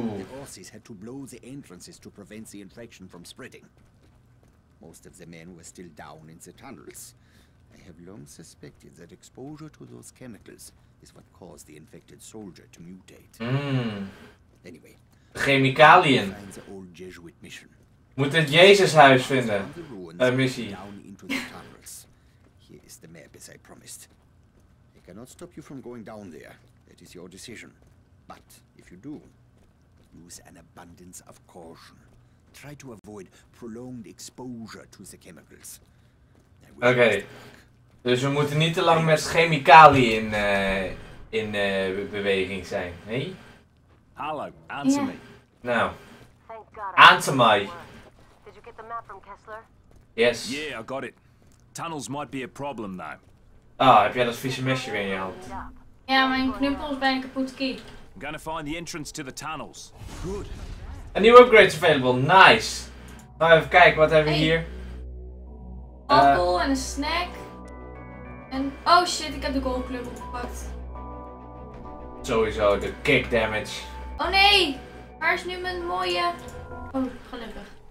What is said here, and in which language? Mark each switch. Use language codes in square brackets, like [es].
[en] The Aussies had to blow the entrances to prevent the infection from spreading. Most of the men were still down in the tunnels. I have long suspected that exposure to those chemicals is what caused the infected soldier to mutate. Mm. Anyway, [nl] chemicaliën. [en] Find the old Jesuit mission. [nl] Moet het Jezushuis vinden. Een missie. [en] Down into the tunnels. Here is the map as I promised. I cannot stop you from going down there. That is your decision. But if you do, use an abundance of caution. Try to avoid prolonged exposure to the chemicals. [nl] Oké. Dus we moeten niet te lang met chemicaliën in beweging zijn, hè? [en] Hey? Hallo, answer me. Nou. Answer me. Did you get the map from Kessler? Yes. Yeah, I got it. Tunnels might be a problem though. [nl] Ah, heb jij dat vieze mesje weer in je hand? Ja, mijn knuppels zijn kapot gegaan. [en] I'm gonna find the entrance to the tunnels. Good. A new upgrade available. Nice. [nl] Nou, even kijken, wat hebben we hier? Appel en een snack. En oh shit, ik heb de gold club opgepakt. Sowieso de kick damage. Oh nee, waar is nu mijn mooie? Oh, gelukkig.